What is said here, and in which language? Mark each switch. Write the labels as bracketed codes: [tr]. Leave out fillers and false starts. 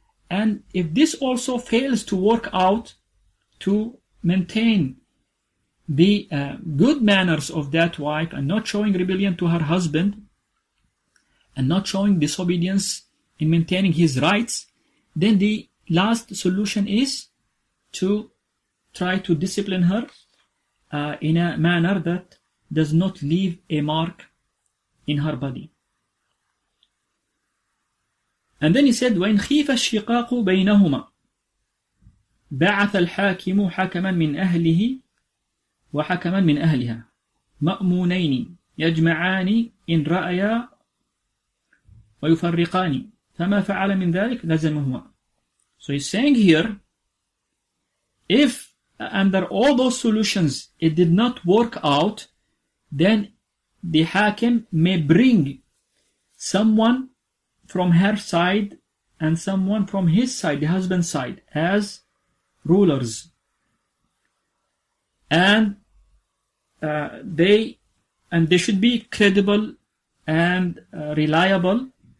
[en] And if this also fails to work out to maintain the good manners of that wife and not showing rebellion to her husband and not showing disobedience in maintaining his rights, then the last solution is to try to discipline her in a manner that does not leave a mark in her body. And then he said, [ar] وَإِنْ خِيفَ الشِّقَاقُ بَيْنَهُمَا بَعَثَ الْحَاكِمُ حَكَمًا مِنْ أَهْلِهِ وحكما من أهلها مأمونين يجمعان إن رأيا ويفرقان فما فعل من ذلك لزمهما. [en] So he's saying here, if under all those solutions it did not work out, then the hakim may bring someone from her side and someone from his side, the husband's side, as rulers, and they should be credible and reliable.